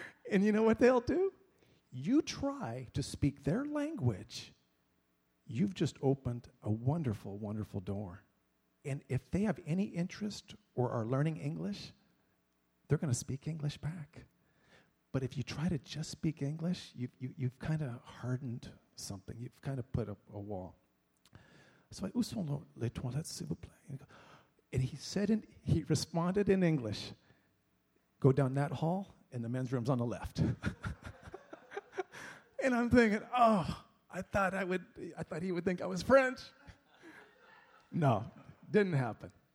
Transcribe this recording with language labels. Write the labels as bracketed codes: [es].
[en] And you know what they'll do? You try to speak their language, you've just opened a wonderful, wonderful door. And if they have any interest or are learning English, they're going to speak English back. But if you try to just speak English, you've kind of hardened something. You've kind of put up a wall. So I, [fr] où sont les toilettes, s'il vous plaît? [en] And he said, and he responded in English, go down that hall, and the men's room's on the left. And I'm thinking, oh, I thought he would think I was French. No, didn't happen.